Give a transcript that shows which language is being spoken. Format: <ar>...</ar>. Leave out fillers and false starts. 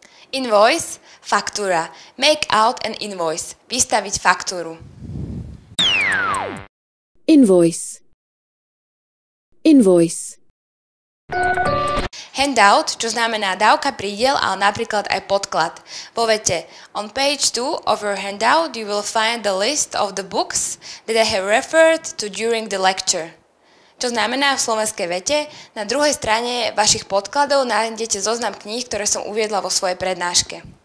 <en>Invoice, faktúra. Make out an invoice.</en> <sk>Vystaviť faktúru.</sk> <en>Invoice. Invoice.</en> <sk>Handout, čo znamená dávka, prídel, ale napríklad aj podklad. Povedzte,</sk> <en>on page 2 of your handout you will find the list of the books that I have referred to during the lecture.</en> <sk>Čo znamená v slovenskej vete, na druhej strane vašich podkladov nájdete zoznam kníh, ktoré som uviedla vo svojej prednáške.</sk>